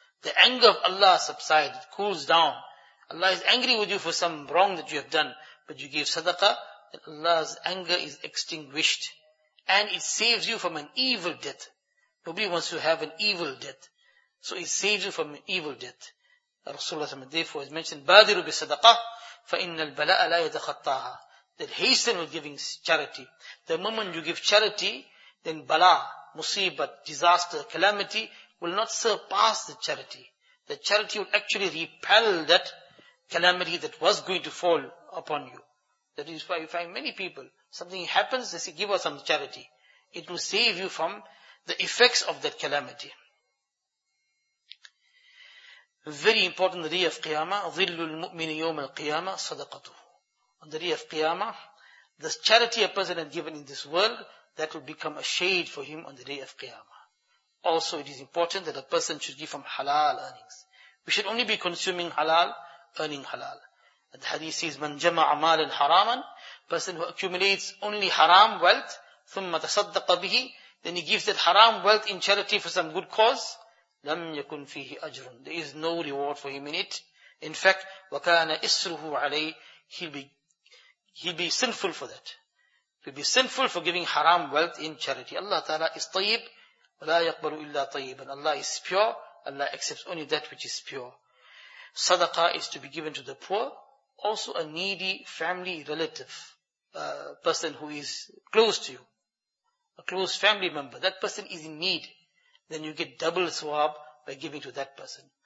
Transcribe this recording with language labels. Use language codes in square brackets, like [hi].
[en] The anger of Allah subsides, it cools down. Allah is angry with you for some wrong that you have done, but you give sadaqah, then Allah's anger is extinguished. And it saves you from an evil death. Nobody wants to have an evil death. So it saves you from an evil death. Rasulullah therefore has mentioned, [ar] بَادِرُ بِصَدَقَةٍ فَإِنَّ الْبَلَاءَ لَا يَتَخَطَّاهَا. [en] Then hasten with giving charity. The moment you give charity, then bala, musibat, disaster, calamity will not surpass the charity. The charity will actually repel that calamity that was going to fall upon you. That is why you find many people, something happens, they say, give us some charity. It will save you from the effects of that calamity. Very important, the day of Qiyamah, [ar] ظِلُّ الْمُؤْمِنِ يَوْمَ الْقِيَامَةِ صَدَقَتُهُ. [en] On the day of Qiyamah, the charity a person had given in this world, that will become a shade for him on the day of Qiyamah. Also, it is important that a person should give from halal earnings. We should only be consuming halal, earning halal. And the hadith says, [ar] مَنْ جَمَعَ مَالًا حَرَامًا. [en] Person who accumulates only haram wealth, [ar] ثُمَّ تَصَدَّقَ بِهِ. [en] Then he gives that haram wealth in charity for some good cause. [ar] لَمْ يَكُنْ فِيهِ أَجْرٌ. [en] There is no reward for him in it. In fact, [ar] وَكَانَ إِسْرُهُ عَلَيْهِ. [en] He'll be sinful for that. He'll be sinful for giving haram wealth in charity. Allah Ta'ala is [ar] طيب وَلَا يَقْبَلُ إِلَّا طَيِّبًا. [en] Allah is pure. Allah accepts only that which is pure. Sadaqah is to be given to the poor. Also a needy family relative. A person who is close to you. A close family member. That person is in need. Then you get double thawab by giving to that person.